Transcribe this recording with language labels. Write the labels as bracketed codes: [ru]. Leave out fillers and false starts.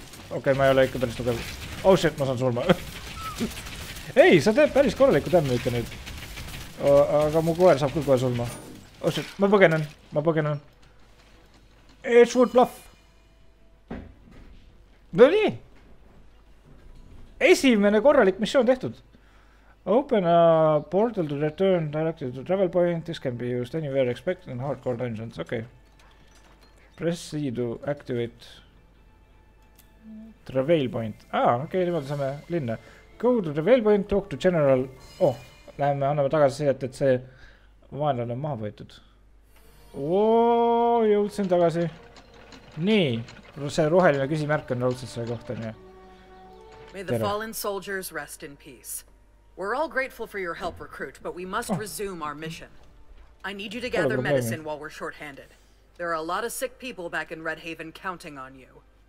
[et] Okei, ma ei ole ikka päris tugev. [en] Oh shit, [et] ma saan surma. Ei, sa teed päris korraliku damage'it nüüd. Aga mu koer saab kõige surma. [en] Oh shit, [et] ma põgenen. [en] Edgewood bluff. [et] No nii. Esimene korralik missioon tehtud. [en] Open a portal to return directly to travel point. This can be used anywhere expected in hardcore dungeons. Okei. Press C to activate travel point. [et] Ah, okei, niimoodi saame linna. [en] Go to travel point, talk to general. [et] Oh, läheme, anname tagasi sellet, et see vaenlane on maha võetud. Ooooooo, jõudsin tagasi. Nii, see roheline küsimärk on raudselt selle kohta, nii. [en] May the fallen soldiers rest in peace. We're all grateful for your help, recruit, but we must resume our mission. I need you to gather medicine while we're shorthanded. There are a lot of sick people back in Redhaven counting on you.